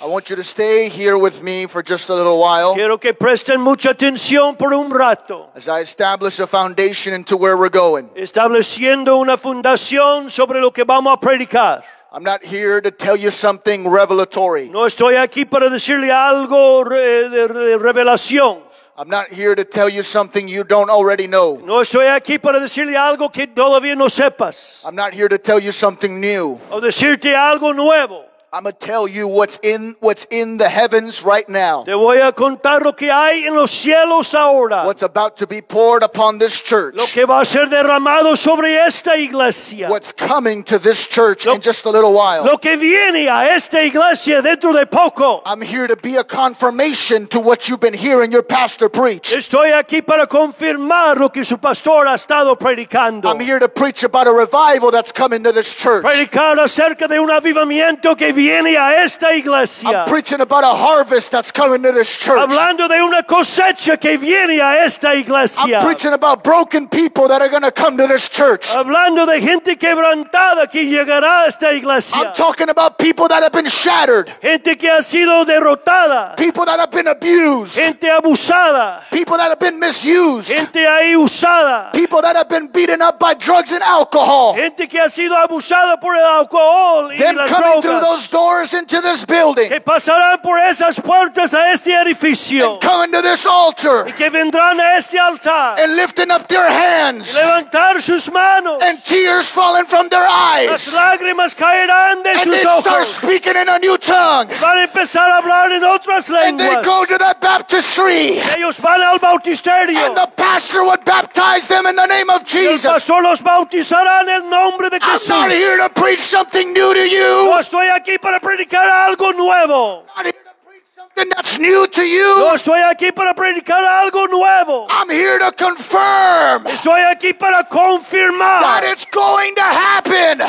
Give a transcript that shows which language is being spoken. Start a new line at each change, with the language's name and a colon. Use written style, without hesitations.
English: I want you to stay here with me for just a little while.
Spanish: Quiero que presten mucha atención por un rato.
English: As I establish a foundation into where we're going.
Spanish: Estableciendo una fundación sobre lo que vamos a predicar.
English: I'm not here to tell you something revelatory.
Spanish: No estoy aquí para decirle algo de revelación.
English: I'm not here to tell you something you don't already know.
Spanish: No estoy aquí para decirle algo que todavía no sepas.
English: I'm not here to tell you something new.
Spanish: O decirte algo nuevo.
English: I'm going to tell you what's in the heavens right now.
Spanish: Te voy a contar lo que hay en los cielos ahora.
English: What's about to be poured upon this church.
Spanish: Lo que va a ser derramado sobre esta iglesia.
English: What's coming to this church in just a little while.
Spanish: Lo que viene a esta iglesia dentro de poco.
English: I'm here to be a confirmation to what you've been hearing your pastor preach.
Spanish: Estoy aquí para confirmar lo que su pastor ha estado predicando.
English: I'm here to preach about a revival that's coming to this church.
Spanish: Predicar acerca de un avivamiento que viene a esta iglesia.
English: I'm preaching about a harvest that's coming to this church.
Spanish: Hablando de una cosecha que viene a esta iglesia.
English: I'm preaching about broken people that are going to come to this church.
Spanish: Hablando de gente quebrantada que llegará a esta iglesia.
English: I'm talking about people that have been shattered.
Spanish: Gente que ha sido derrotada.
English: People that have been abused.
Spanish: Gente abusada.
English: People that have been misused.
Spanish: Gente ahí usada.
English: People that have been beaten up by drugs and alcohol.
Spanish: Gente que ha sido abusada por el alcohol y
English: Them
Spanish: las drogas.
English: Those doors into this building.
Spanish: Que pasarán por esas puertas a este edificio.
English: And coming to this altar.
Spanish: Y que vendrán a este altar.
English: And lifting up their hands.
Spanish: Y levantar sus manos.
English: And tears falling from their eyes.
Spanish: Las lágrimas caerán de
English: and
Spanish: sus ojos.
English: And they start speaking in a new tongue.
Spanish: Y van a empezar a hablar en otras lenguas.
English: And they go to that baptistry.
Spanish: Ellos van al bautisterio.
English: And the pastor would baptize them in the name of Jesus.
Spanish: Y el pastor los bautizará en el nombre de Jesús.
English: I'm not here to preach something new to you.
Spanish: Estoy aquí para predicar algo nuevo.
English: And that's new to you.
Spanish: No estoy aquí para predicar algo nuevo.
English: I'm here to confirm.
Spanish: Estoy aquí para confirmar.
English: That it's going to happen.